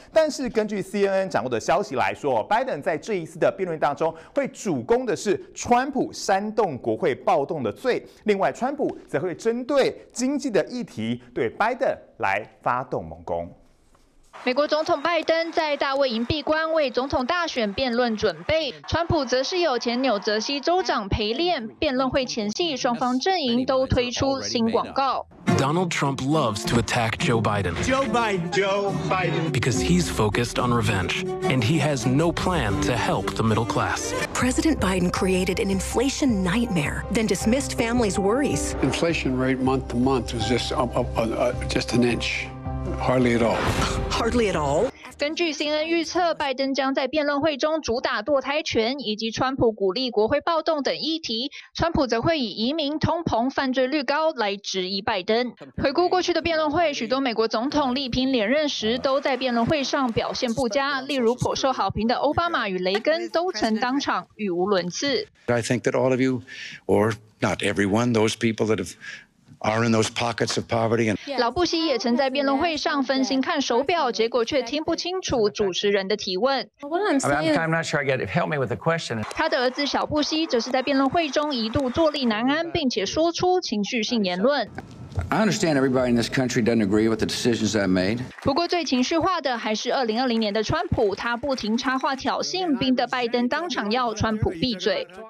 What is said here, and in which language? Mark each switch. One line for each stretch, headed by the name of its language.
Chinese: 但是根据 CNN 掌握的消息来说，拜登在这一次的辩论当中会主攻的是川普煽动国会暴动的罪，另外川普则会针对经济的议题对拜登来发动猛攻。美国总统拜登在大卫营闭关为总统大选辩论准备，川普则是有前纽泽西州长陪练。辩论会前夕，双方阵营都推出新广告。
English: Donald Trump loves to attack Joe Biden. Joe Biden. Joe Biden. Because he's focused on revenge, and he has no plan to help the middle class. President Biden created an inflation nightmare, then dismissed families' worries. Inflation rate month to month was just an inch. Hardly at all. Hardly at all.
Chinese: 根据 CNN 预测，拜登将在辩论会中主打堕胎权以及川普鼓励国会暴动等议题，川普则会以移民、通膨、犯罪率高来质疑拜登。回顾过去的辩论会，许多美国总统力拼连任时都在辩论会上表现不佳，例如颇受好评的奥巴马与雷根都曾当场语无伦次。
English: I think that all of you, or not everyone, those people that haveare in those pockets of poverty.
Chinese: 老布希也曾在辩论会上分心看手表，结果却听不清楚主持人的提问。
English: I'm not sure I get it. Help me with the question.
Chinese: 他的儿子小布希则是在辩论会中一度坐立难安，并且说出情绪性言论。
English: I understand everybody in this country doesn't agree with the decisions I made.
Chinese: 不过最情绪化的还是2020年的川普，他不停插话挑衅，逼得拜登当场要川普闭嘴。